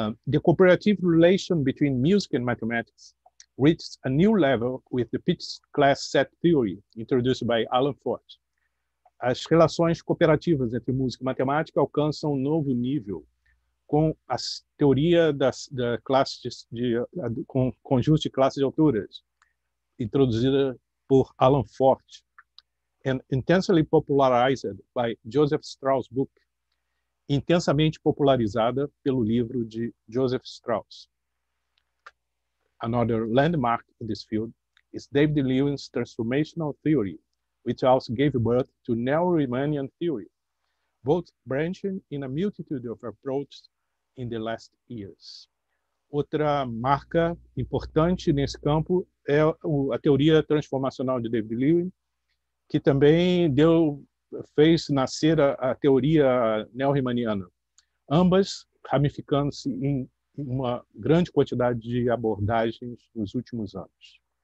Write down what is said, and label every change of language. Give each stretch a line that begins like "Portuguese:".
English: The cooperative relation between music and mathematics reached a new level with the pitch class set theory introduced by Alan Fort.
Portuguese: As relações cooperativas entre música e matemática alcançam um novo nível com a teoria da classe com conjunto de classes de alturas, introduzida por Alan Fort,
English: and intensely popularized by Joseph Strauss' book,
Portuguese: intensamente popularizada pelo livro de Joseph Strauss.
English: Another landmark in this field is David Lewin's transformational theory, which also gave birth to Neo-Riemannian theory, both branching in a multitude of approaches in the last years.
Portuguese: Outra marca importante nesse campo é a teoria transformacional de David Lewin, que também fez nascer a teoria neo-riemanniana, ambas ramificando-se em uma grande quantidade de abordagens nos últimos anos.